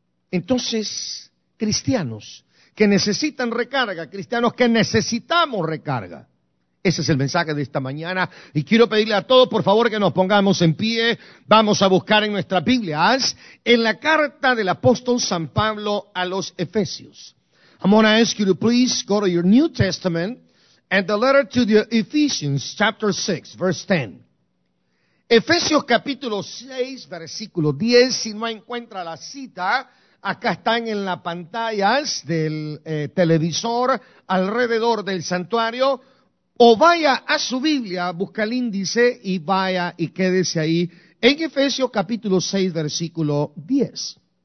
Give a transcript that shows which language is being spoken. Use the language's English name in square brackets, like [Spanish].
[Spanish] Entonces, cristianos que necesitan recarga, cristianos que necesitamos recarga. Ese es el mensaje de esta mañana. Y quiero pedirle a todos, por favor, que nos pongamos en pie. Vamos a buscar en nuestras Biblias, en la carta del apóstol San Pablo a los Efesios. [English] I'm going to ask you to please go to your New Testament and the letter to the Ephesians, chapter 6, verse 10. [Spanish] Efesios capítulo 6, versículo 10. Si no encuentra la cita, acá están en las pantallas del televisor alrededor del santuario. O vaya a su Biblia, busca el índice y vaya y quédese ahí en Efesios capítulo 6, versículo 10.